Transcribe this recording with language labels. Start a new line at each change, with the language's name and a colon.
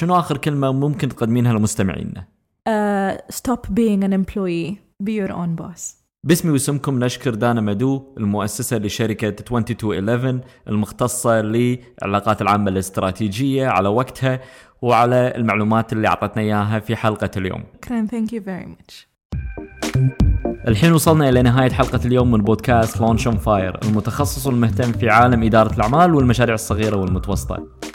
Arabic: شنو آخر كلمة ممكن تقدمينها لمستمعينا؟
English: Stop being an employee, be your own boss.
Arabic: باسمي واسمكم نشكر دانا مادو المؤسسة لشركة 2211 المختصة للعلاقات العامة الاستراتيجية على وقتها وعلى المعلومات اللي عطتنا إياها في حلقة اليوم. كريم,
English: thank you very much.
Arabic: الحين وصلنا إلى نهاية حلقة اليوم من بودكاست Launch on Fire, المتخصص المهتم في عالم إدارة الأعمال والمشاريع الصغيرة والمتوسطة.